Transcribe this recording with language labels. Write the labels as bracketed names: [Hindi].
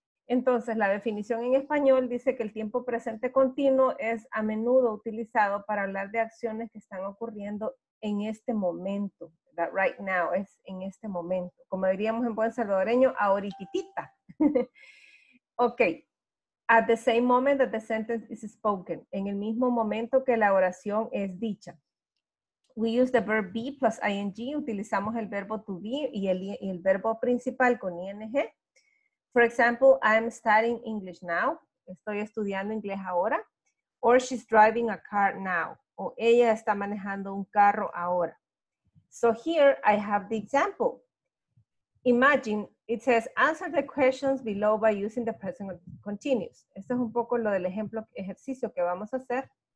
[Spanish] Entonces, la definición en español dice que el tiempo presente continuo es a menudo utilizado para hablar de acciones que están ocurriendo en este momento, [English] that right now [Spanish] es en este momento. Como diríamos en buen salvadoreño, ahorititita. Okay. [English] At the same moment that the sentence is spoken. [Spanish] En el mismo momento que la oración es dicha. [English] We use the verb be plus ing. [Spanish] Utilizamos el verbo to be y el verbo principal con ing. [English] For example, I'm studying English now. [Spanish] Estoy estudiando inglés ahora. [English] Or she's driving a car now. [Spanish] o ella está manejando un carro ahora. [English] So here I have the example. Imagine, it says, answer the questions below by using the present continuous. [Spanish] Esto es un poco lo del ejemplo, ejercicio que vamos a hacer.